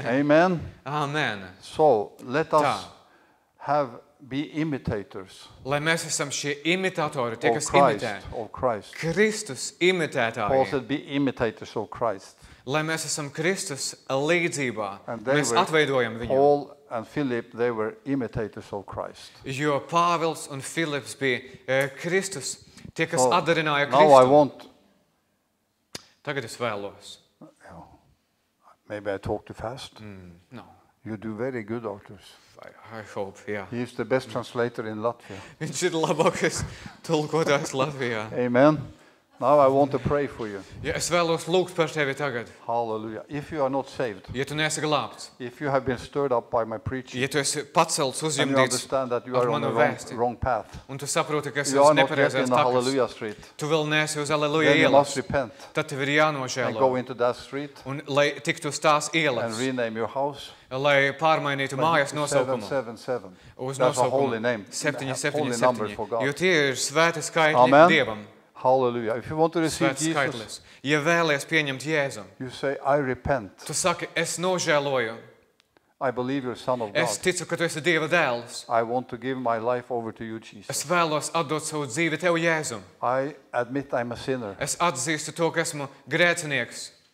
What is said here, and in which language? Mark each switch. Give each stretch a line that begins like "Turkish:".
English: Amen. Amen. So, let us have be imitators.
Latvian: Lai mēs esam šie imitatori, tie, kas imitē.
English: Of Christ.
Latvian: Kristus imitētāji.
English: Paul said, be imitators of Christ.
Latvian: Lai mēs esam Kristus līdzībā. Mēs atveidojam viņu.
English: Paul and Philip, they were imitators of Christ.
Latvian: Jo Pāvils un Filips bija Kristus, tie, kas atdarināja
English: Kristu. Now I want...
Latvian: Tagad es vēlos.
English: Maybe I talk too fast. No. You do very good authors. I hope, yeah. He is the best translator in Latvia.
Latvian: Viņš ir labākais tulkotājs Latvijā.
English: Amen. Now I want to pray for you.
Latvian: Ja es vēlos lūgt par tevi tagad.
English: Hallelujah. If you are not saved.
Latvian: Ja tu neesi glābts.
English: If you have been stirred up by my preaching.
Latvian: Ja tu esi pacelts, uzjumdīts.
English: And you understand that you are on the wrong path.
Latvian: Un tu saproti, ka esi nepareizās takas.
English: Hallelujah street.
Latvian: Tu vēl neesi uz Alleluja ielas.
English: Then you must repent.
Latvian: Tad tev ir jānožēlo.
English: And go into that street.
Latvian: Un lai tiktu uz tās ielas.
English: And rename your house.
Latvian: Lai pārmainītu mājas nosaukumu.
English: 777. That's a holy name.
Latvian: Jo tie ir svēti skaitļi Dievam.
English: Hallelujah. If you want to receive Jesus,
Latvian: ja vēlies pieņemt Jēzu,
English: you say, I repent.
Latvian: Tu saki, es nožēloju.
English: I believe you're son of God.
Latvian: Es ticu, ka tu esi Dieva dēls.
English: I want to give my life over to you, Jesus.
Latvian: Es vēlos atdot savu dzīvi tev, Jēzum.
English: I admit I'm a sinner.
Latvian: Es atzīstu to, ka esmu grēcinieks.